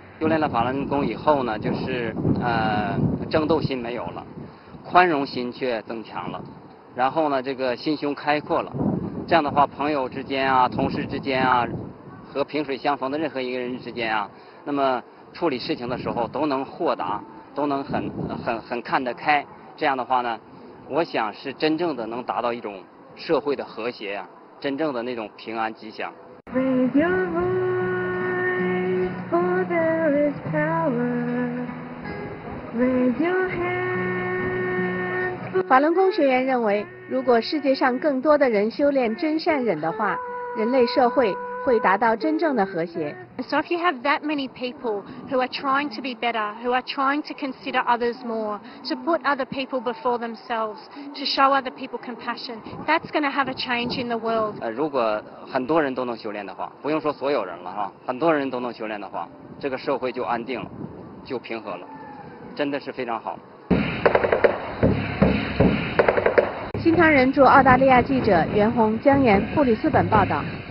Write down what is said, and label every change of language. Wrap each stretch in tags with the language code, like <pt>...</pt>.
<zh>修炼了法轮功以后呢，就是争斗心没有了，宽容心却增强了，然后呢这个心胸开阔了，这样的话朋友之间啊、同事之间啊、和萍水相逢的任何一个人之间啊，那么处理事情的时候都能豁达，都能很看得开，这样的话呢，我想是真正的能达到一种社会的和谐啊，真正的那种平安吉祥。</zh> <en>Raise your voice, for there is power. Raise your hands.</en> <zh>法轮功学员认为，如果世界上更多的人修炼真善忍的话，人类社会会达到真正的和谐。</zh> <en>So if you have that many people who are trying to be better, who are trying to consider others more, to put other people before themselves, to show other people compassion, that's going to have a change in the world.</en> <zh>如果很多人都能修炼的话，不用说所有人了哈，很多人都能修炼的话，这个社会就安定了，就平和了，真的是非常好。新唐人驻澳大利亚记者袁弘、江岩，布里斯本报道。</zh>